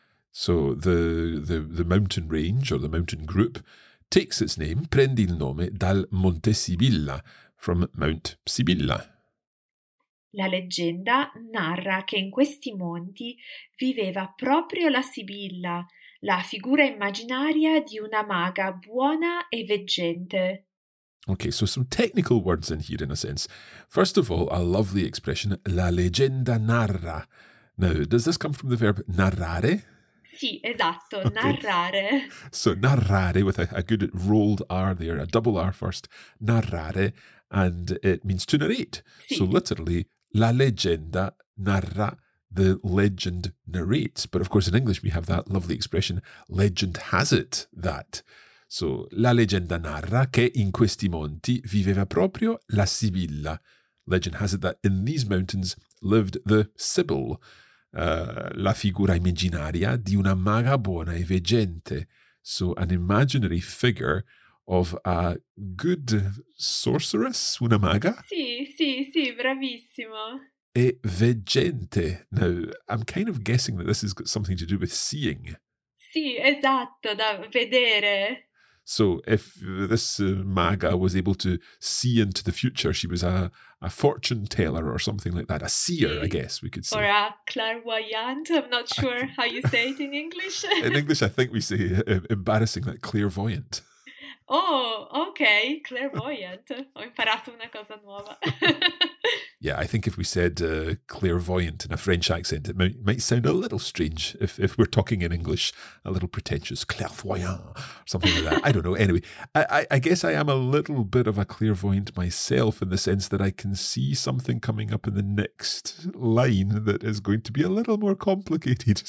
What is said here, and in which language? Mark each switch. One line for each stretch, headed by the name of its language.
English: So, the mountain range or the mountain group takes its name,
Italian: prende il nome dal Monte Sibilla,
English: from Mount Sibilla.
Italian: La leggenda narra che in questi monti viveva proprio la Sibilla, la figura immaginaria di una maga buona e veggente.
English: Okay, so some technical words in here in a sense. First of all, a lovely expression,
Italian: la leggenda narra.
English: Now, does this come from the verb narrare?
Italian: Sì, esatto, okay. Narrare.
English: So narrare, with a good rolled R there, a double R first, narrare, and it means to narrate.
Italian: Sì.
English: So literally,
Italian: la leggenda narra.
English: The legend narrates. But of course, in English, we have that lovely expression, legend has it that.
Italian: So, la leggenda narra che in questi monti viveva proprio la Sibilla.
English: Legend has it that in these mountains lived the Sibyl,
Italian: la figura immaginaria di una maga buona e veggente.
English: So, an imaginary figure of a good sorceress, una maga?
Italian: Sì, sì, sì, bravissimo. E veggente.
English: Now, I'm kind of guessing that this has got something to do with seeing.
Italian: Sì, esatto, da vedere.
English: So, if this maga was able to see into the future, she was a fortune teller or something like that, a seer,
Italian: sì.
English: I guess we could say. Or a clairvoyant, I'm not sure how you say it in English. In English, I think we say embarrassing, like clairvoyant. Oh, okay,
Italian: clairvoyant. Ho imparato una cosa nuova.
English: Yeah, I think if we said clairvoyant in a French accent, it might sound a little strange if we're talking in English, a little pretentious, clairvoyant, something like that. I don't know. Anyway, I guess I am a little bit of a clairvoyant myself in the sense that I can see something coming up in the next line that is going to be a little more complicated.